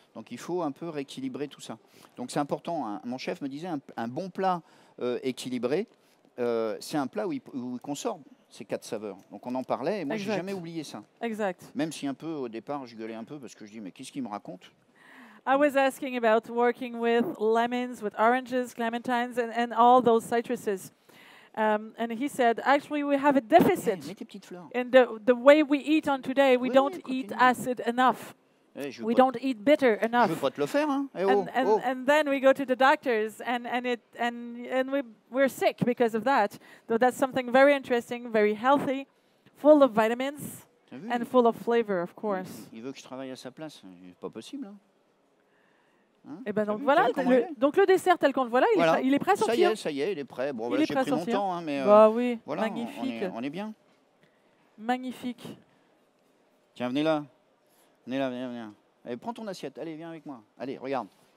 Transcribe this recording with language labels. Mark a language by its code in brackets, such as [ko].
[fr] Donc, il faut un peu rééquilibrer tout ça. Donc, c'est important. Mon chef me disait, un bon plat équilibré, c'est un plat où il consorte ces quatre saveurs. Donc on en parlait et moi, exact, j'ai jamais oublié ça. Exact. Même si un peu au départ, je gueulais un peu parce que je dis, mais qu'est-ce qu'il me raconte? [en] I was asking about working with lemons, with oranges, clementines and all those citruses. And he said, actually, we have a deficit in the way we eat on today. We don't eat acid enough. We don't eat bitter enough. [fr] Je veux pas te le faire, hein. [en] And then we go to the doctors and we're sick because of that. So that's something very interesting, very healthy, full of vitamins and full of flavor, of course. [fr] Il veut que je travaille à sa place, c'est pas possible, hein. Et ben donc voilà, le dessert tel qu'on le voit là, il est prêt à sortir. Ça y est, il est prêt. Bon, voilà, j'ai pris mon temps, hein, mais oui, voilà, magnifique. On est bien. Magnifique. Tiens, venez là. Venez là. Allez, prends ton assiette. Allez, viens avec moi. Allez, regarde.